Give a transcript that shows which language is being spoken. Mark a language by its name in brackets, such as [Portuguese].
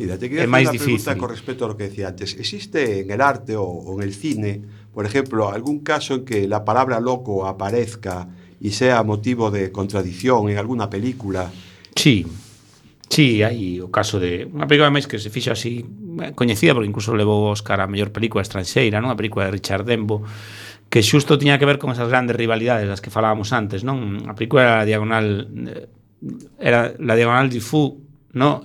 [Spanish] Mira, te quería hacer una pregunta con respecto a lo que decía antes. ¿Existe en el arte o en el cine, por ejemplo, algún caso en que la palabra loco aparezca y sea motivo de contradicción en alguna película? [Galician] Sí, hai o caso de... Unha película máis que se fixa así coñecida, porque incluso levou o Oscar a mellor película estranxeira, non? A película de Richard Denbo, que xusto tiña que ver con esas grandes rivalidades das que falábamos antes, non? A película era la diagonal du fou, non?